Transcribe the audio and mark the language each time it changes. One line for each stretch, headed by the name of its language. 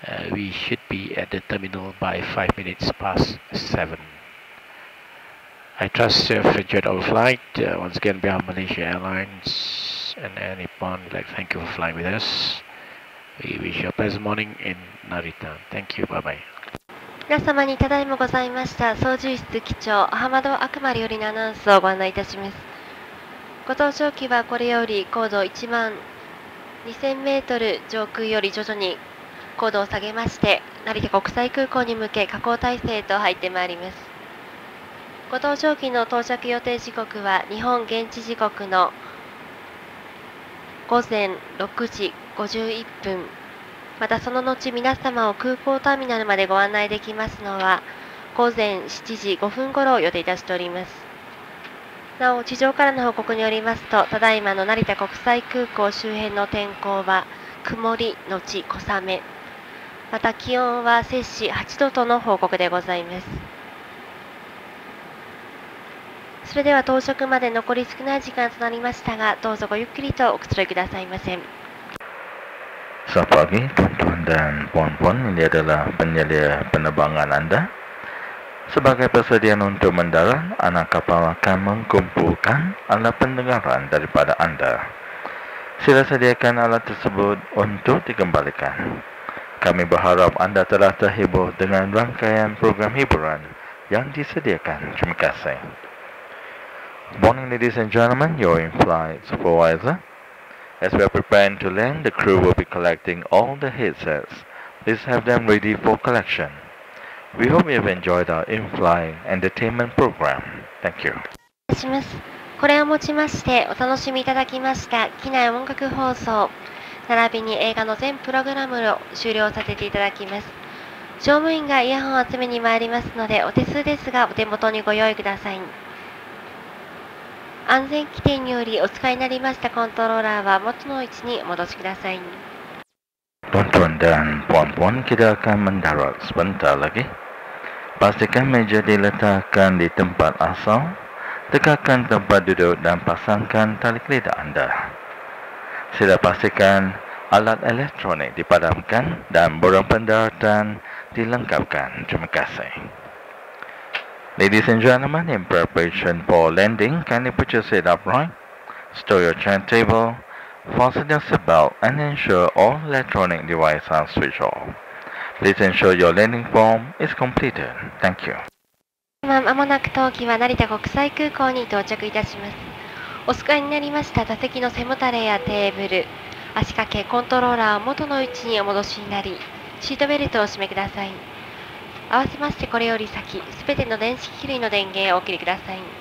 English: We should be at the terminal by 5 minutes past 7. I trust you have enjoyed our flight. Once again, we have Malaysia Airlines and Air Nippon. We'd like to thank you for flying with us. We wish you a pleasant morning in Narita. Thank you. Bye-bye.
Japanese: 皆様にただいまございました。操縦室機長浜戸あくまりよりのアナウンスをご案内いたします。ご搭乗機はこれより高度1万2000メートル上空より徐々に高度を下げまして、成田国際空港に向け下降態勢へと入ってまいります。ご搭乗機の到着予定時刻は日本現地時刻の午前6時51分、またその後皆様を空港ターミナルまでご案内できますのは午前7時5分ごろを予定いたしております。なお地上からの報告によりますと、ただいまの成田国際空港周辺の天候は曇りのち小雨、また気温は摂氏8度との報告でございます。それでは到着まで残り少ない時間となりましたが、どうぞごゆっくりとおくつろいくださいませ。
Malay: Selamat pagi tuan-tuan dan puan-puan, ini adalah penyelia penerbangan anda. Sebagai persediaan untuk mendarat, anak kapal akan mengumpulkan alat pendengaran daripada anda. Sila sediakan alat tersebut untuk dikembalikan. Kami berharap anda telah terhibur dengan rangkaian program hiburan yang disediakan. Terima kasih.
English: Morning ladies and gentlemen, your in-flight supervisor. As we are preparing to land, the crew will be collecting all the headsets. Please have them ready for collection. We hope you have enjoyed our in-flight entertainment program. Thank you.
Japanese: します。これをもちまして、お楽しみいただきました機内音楽放送、並びに映画の全プログラムを終了させていただきます。乗務員がイヤホンを集めに参りますので、お手数ですが、お手元にご用意ください。安全規定によりお使いになりましたコントローラーは元の位置にお戻しください。
Malay: Tuan-tuan dan puan-puan, kita akan mendarat sebentar lagi. Pastikan meja diletakkan di tempat asal. Tegakkan tempat duduk dan pasangkan tali keledar anda. Sila pastikan alat elektronik dipadamkan dan borang pendaratan dilengkapkan. Terima kasih.
English: Ladies and gentlemen, in preparation for landing, kindly put your seat upright, store your chair table, fasten your seatbelt and ensure all electronic devices are switched off. Please ensure your landing form is completed. Thank you.
Japanese: 今まもなく登機は成田国際空港に到着いたします。お使いになりました座席の背もたれやテーブル、足掛けコントローラーを元の位置にお戻しになり、シートベルトをお締めください。合わせましてこれより先、すべての電子機器類の電源をお切りください。